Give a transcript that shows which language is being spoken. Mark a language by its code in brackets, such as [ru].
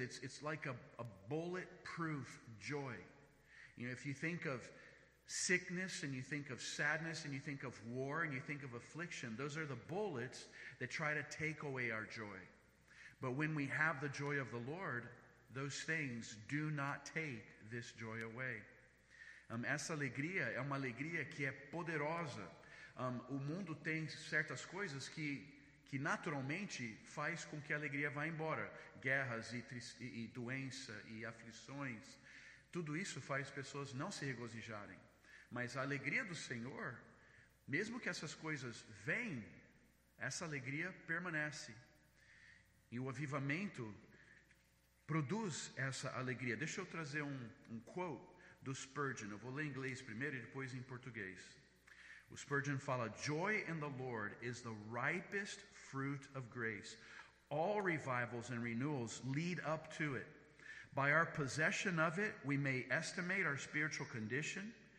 [en] It's like a bulletproof joy. You know, if you think of sickness and you think of sadness and you think of war and you think of affliction, those are the bullets that try to take away our joy. But when we have the joy of the Lord, those things do not take this joy away. [pt] Essa alegria é uma alegria que é poderosa. O mundo tem certas coisas que naturalmente faz com que a alegria vá embora. Guerras e doença e aflições. Tudo isso faz pessoas não se regozijarem. Mas a alegria do Senhor, mesmo que essas coisas venham, essa alegria permanece. E o avivamento produz essa alegria. Deixa eu trazer um quote do Spurgeon. Eu vou ler em inglês primeiro e depois em português. O Spurgeon fala: [en] joy in the Lord is the ripest fruit of grace. All revivals and renewals lead up to it. By our possession of it, we may estimate our spiritual condition.